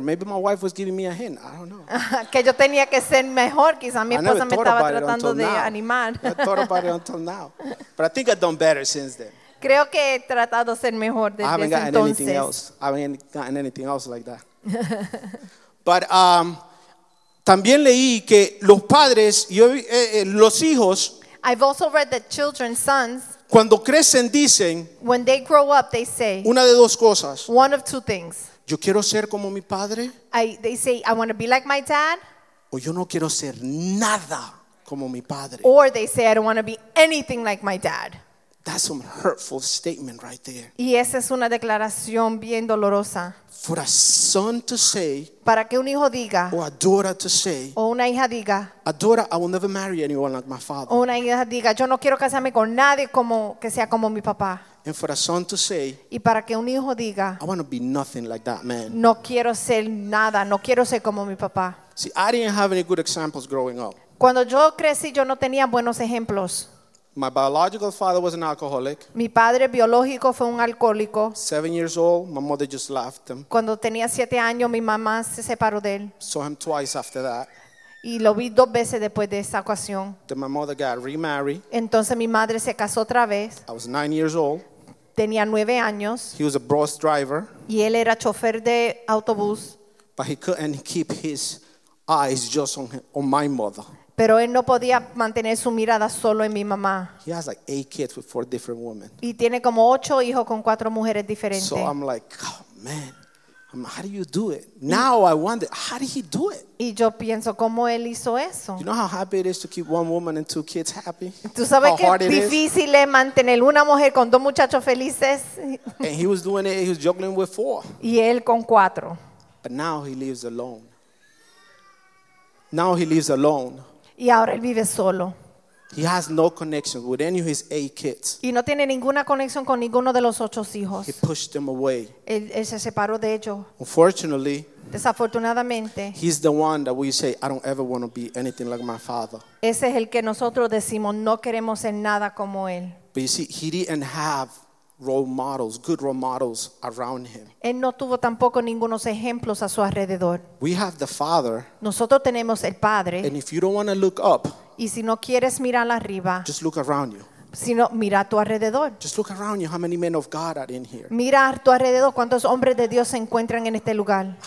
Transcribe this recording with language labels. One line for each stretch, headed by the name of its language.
English: Maybe my wife was giving me a hint. I don't know.
Spanish: Que yo tenía que ser mejor. Quizá mi esposa me estaba tratando de
English: now.
Spanish: Animar.
English: I never thought about it until now. But I think I've done better since then.
Spanish: Creo que he tratado de ser mejor desde entonces.
English: I haven't gotten anything else. I haven't gotten anything else like that. But
Spanish: también leí que los padres, los hijos,
English: I've also read that children, sons,
Spanish: cuando crecen dicen,
English: when they grow up, they say,
Spanish: una de dos cosas,
English: one of two things.
Spanish: Yo quiero ser como mi padre.
English: They say, I want to be like my dad.
Spanish: O yo no quiero ser nada como mi padre.
English: Or they say, I don't want to be anything like my dad. That's some hurtful statement right there.
Spanish: Y esa es una declaración bien dolorosa.
English: For a son to say,
Spanish: para que un hijo diga,
English: or a daughter to say,
Spanish: o una hija diga,
English: a daughter, I will never marry anyone like my father.
Spanish: O una hija diga, yo no quiero casarme con nadie como que sea como mi papá.
English: And for a son to say,
Spanish: y para que un hijo diga,
English: I want to be nothing like that man.
Spanish: No quiero ser nada, no quiero ser como mi papá.
English: See, I didn't have any good examples growing up.
Spanish: Cuando yo crecí, yo no tenía buenos ejemplos.
English: My biological father was an alcoholic.
Spanish: Mi padre biológico fue un alcohólico.
English: 7 years old, my mother just left him.
Spanish: Cuando tenía 7 años, mi mamá se separó de él.
English: Saw him twice after that.
Spanish: Y lo vi 2 veces después de esa ocasión.
English: Then my mother got remarried.
Spanish: Entonces mi madre se casó otra vez.
English: I was 9 years old.
Spanish: Tenía 9 años.
English: He was a bus driver.
Spanish: Y él era chofer de autobús.
English: But he couldn't keep his eyes just on my mother.
Spanish: Pero él no podía mantener su mirada solo en mi mamá.
English: He has like 8 kids with 4 different women.
Spanish: Y tiene como 8 hijos con 4 mujeres diferentes.
English: So I'm like, oh man, how do you do it? Now I wonder, how did he do it?
Spanish: Y yo pienso, ¿cómo él hizo eso?
English: You know how happy it is to keep 1 woman and 2 kids happy?
Spanish: ¿Tú sabes qué difícil es mantener una mujer con 2 muchachos felices?
English: And he was doing it, he was juggling with 4.
Spanish: Y él con 4.
English: But now he lives alone. Now he lives alone.
Spanish: Y ahora él vive solo.
English: He has no connection with any of his 8 kids.
Spanish: Y no tiene ninguna conexión con ninguno de los 8 hijos.
English: He pushed them away.
Spanish: Él se separó de ellos.
English: Unfortunately,
Spanish: desafortunadamente,
English: he's the one that we say, I don't ever want to be anything like my father.
Spanish: Ese es el que nosotros decimos, no queremos ser nada como él.
English: But you see, he didn't have role models, good role models around him.
Spanish: Él no tuvo tampoco ningunos ejemplos a su alrededor.
English: We have the Father.
Spanish: Nosotros tenemos el Padre.
English: And if you don't want to look up,
Spanish: y si no quieres mirar arriba,
English: just look around you.
Spanish: Sino mira a tu alrededor.
English: Just look around you. How many men of God are in here?
Spanish: Mira a tu alrededor. ¿Cuántos hombres de Dios se encuentran en este lugar?